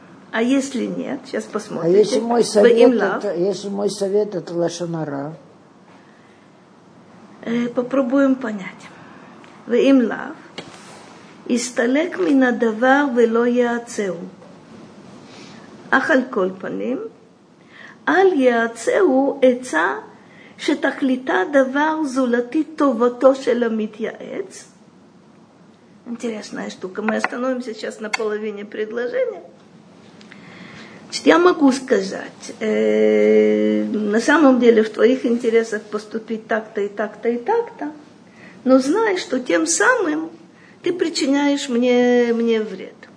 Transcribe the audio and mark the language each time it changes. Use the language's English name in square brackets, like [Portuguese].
[Russian] А если нет, сейчас посмотрим. А если мой совет, это лашон ара? Попробуем понять. [Hebrew] ואם לאו, יסתלק מן הדבר ולא יעצהו. אך על כל פנים, אל יעצהו עצה שתכליתה דבר זולתי טובתו של המתייעץ. [Russian] אינטרסная штука. Мы остановимся сейчас на половине предложения. Значит, я могу сказать, на самом деле в твоих интересах поступить так-то и так-то и так-то, но знай, что тем самым ты причиняешь мне вред.